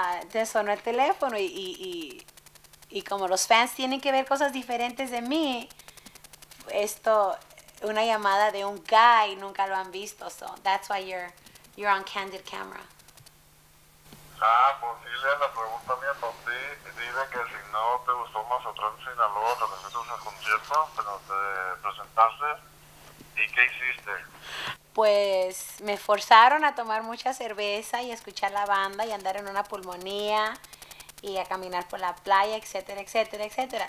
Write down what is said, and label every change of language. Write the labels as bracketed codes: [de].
[es] Te sonó el teléfono y como los fans tienen que ver cosas diferentes de mí, esto, una llamada de un guy, nunca lo han visto. [en] So, that's why you're on candid camera. [es] Ah, pues sí, la pregunta mía para ti. Dile que si no te gustó más otro en Sinaloa, te necesitas un concierto, pero te presentaste. ¿Y qué hiciste? Pues me forzaron a tomar mucha cerveza y a escuchar la banda y andar en una pulmonía y a caminar por la playa, etcétera, etcétera, etcétera.